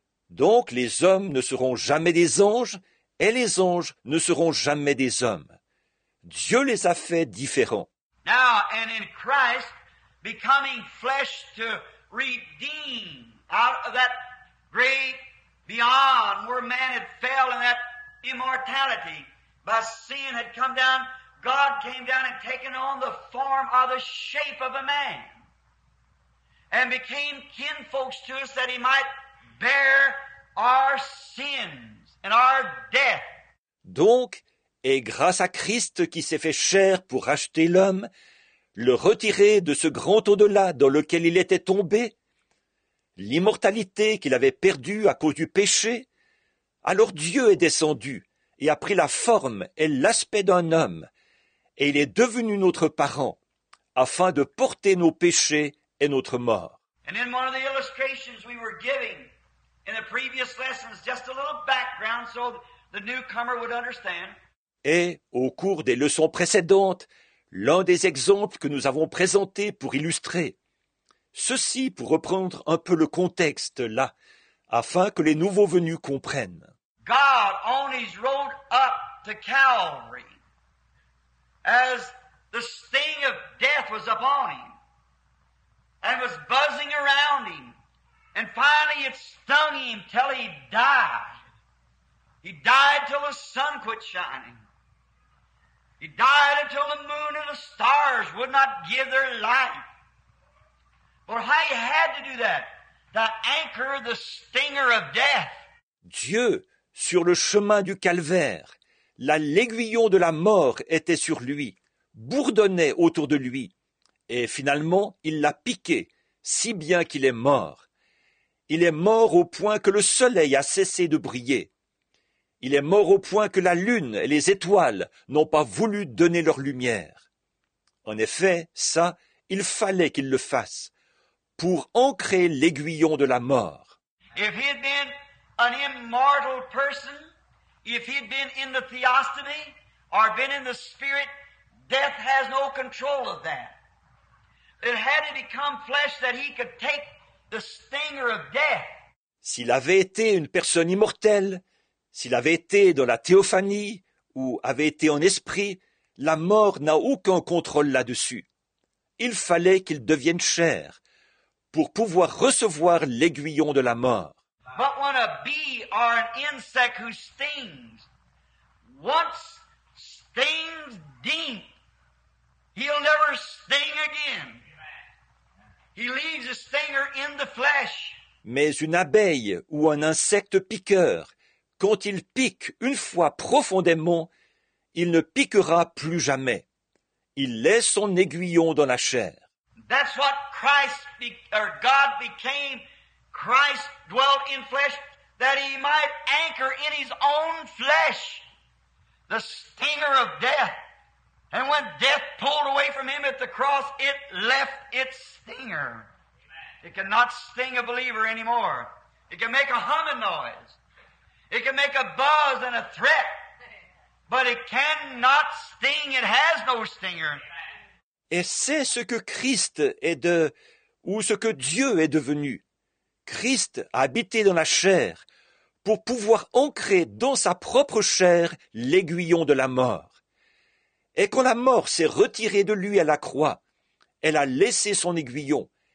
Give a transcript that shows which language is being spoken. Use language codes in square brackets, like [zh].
[fr] Donc les hommes ne seront jamais des anges, et les anges ne seront jamais des hommes. Dieu les a fait différents. [en] Now, and in Christ, becoming flesh to redeem out of that great beyond where man had fell in that immortality by sin had come down, God came down and taken on the form or the shape of a man and became kinfolks to us that he might bear our sins and our death. [fr] Donc, et grâce à Christ qui s'est fait chair pour racheter l'homme, le retirer de ce grand au-delà dans lequel il était tombé, l'immortalité qu'il avait perdue à cause du péché, alors Dieu est descendu et a pris la forme et l'aspect d'un homme, et il est devenu notre parent, afin de porter nos péchés et notre mort. [en] And in one of the illustrations we were giving in the previous lessons, just a little background so the newcomer would understand. [fr] Et au cours des leçons précédentes, l'un des exemples que nous avons présentés pour illustrer. Ceci pour reprendre un peu le contexte là, afin que les nouveaux venus comprennent. [en] God on his road up to Calvary, as the sting of death was upon him, and was buzzing around him, and finally it stung him till he died. He died till the sun quit shining. He died until the moon and the stars would not give their light. But he had to do that, to anchor the stinger of death. [fr] Dieu, sur le chemin du calvaire, la l'aiguillon de la mort était sur lui, bourdonnait autour de lui, et finalement il l'a piqué, si bien qu'il est mort. Il est mort au point que le soleil a cessé de briller. Il est mort au point que la lune et les étoiles n'ont pas voulu donner leur lumière. En effet, ça, il fallait qu'il le fasse, pour ancrer l'aiguillon de la mort. [en] If he had been an immortal person, if he had been in the theosophy, or been in the spirit, death has no control of that. It had to become flesh that he could take the stinger of death. [fr] S'il avait été une personne immortelle, s'il avait été dans la théophanie ou avait été en esprit, la mort n'a aucun contrôle là-dessus. Il fallait qu'il devienne chair pour pouvoir recevoir l'aiguillon de la mort. [en] But when a bee or an insect who stings once stings deep, he'll never sting again. He leaves a stinger in the flesh. [fr] Mais une abeille ou un insecte piqueur, quand il pique une fois profondément, il ne piquera plus jamais. Il laisse son aiguillon dans la chair. [en] That's what Christ, or God became. Christ dwelt in flesh that he might anchor in his own flesh the stinger of death. And when death pulled away from him at the cross, it left its stinger. It cannot sting a believer anymore. It can make a humming noise. It can make a buzz and a threat, but it cannot sting. It has no stinger. [fr] Et c'est ce que Christ est de, ou ce que Dieu est devenu. Christ a habité dans la chair pour pouvoir ancrer dans sa propre chair l'aiguillon de la mort. Et quand la mort s'est retirée de lui à la croix, elle a laissé son aiguillon.